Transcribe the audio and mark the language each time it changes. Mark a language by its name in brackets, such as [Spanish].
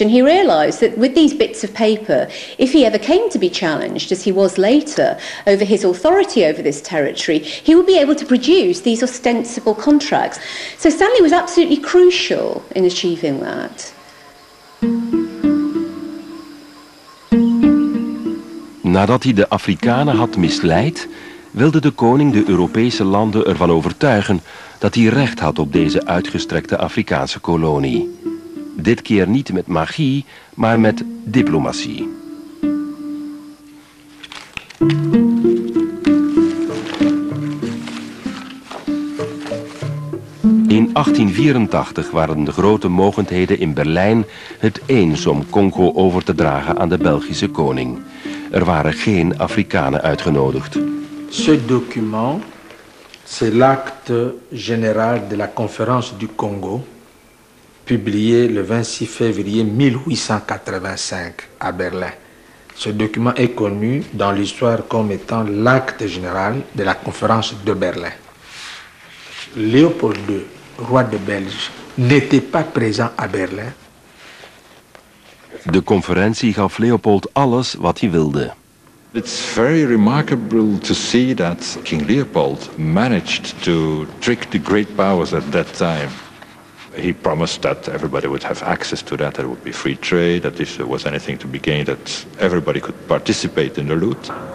[English] And he realized that with these bits of paper, if he ever came to be challenged, as he was later, over his authority over this territory, he would be able to produce these ostensible contracts. So Stanley was absolutely crucial in achieving that. [Dutch] Nadat hij de Afrikanen had misleid, wilde de koning de Europese landen ervan overtuigen dat hij recht had op deze uitgestrekte Afrikaanse kolonie. Dit keer niet met magie, maar met diplomatie. In 1884 waren de grote mogendheden in Berlijn het eens om Congo over te dragen aan de Belgische koning. Er waren geen Afrikanen uitgenodigd. [French] Ce document, c'est l'acte général de la conférence du Congo, publié le 26 février 1885 à Berlin. Ce document est connu dans l'histoire comme étant l'acte général de la conférence de Berlin. Léopold II, roi de België, n'était pas présent à Berlin? [Dutch] De conferentie gaf Leopold alles wat hij wilde. [English] It's very remarkable to see that King Leopold managed to trick the great powers at that time. He promised that everybody would have access to that, that it would be free trade, that if there was anything to be gained, that everybody could participate in the loot.